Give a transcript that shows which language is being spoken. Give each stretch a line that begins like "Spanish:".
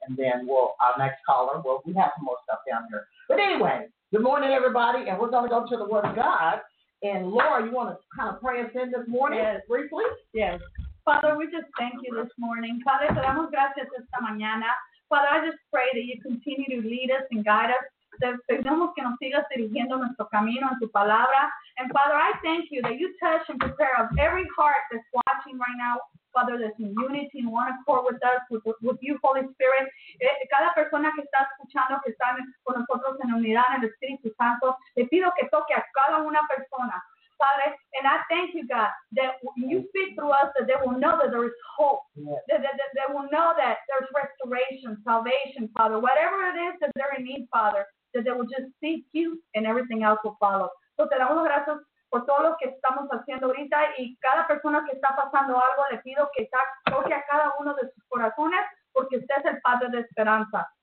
English: And then we'll our next caller, well, we have some more stuff down here. But anyway, good morning, everybody, and we're going to go to the Word of God. And Laura, you want to kind of pray us in this morning? Yes. Briefly? Yes. Father, we just thank you this morning. Father,
Spanish: te damos gracias esta mañana.
English: Father, I just pray that you continue to lead us and guide us.
Spanish: Te pedimos que nos sigas dirigiendo nuestro camino en tu palabra.
English: And Father, I thank you that you touch and prepare of every heart that's watching right now, Father, that's in unity and one accord with us, with you, Holy Spirit.
Spanish: Cada persona que está escuchando, que está con nosotros en unidad en el Espíritu Santo, te pido que toque a cada una persona, Father.
English: And I thank you, God, that when you speak through us, that they will know that there is hope. Yes. That they will know that there's restoration, salvation, Father. Whatever it is that they're in need, Father, that they will just seek you and everything else will follow.
Spanish: So te damos gracias por todo lo que estamos haciendo ahorita y cada persona que está pasando algo, le pido que toque a cada uno de sus corazones porque usted es el Padre de Esperanza.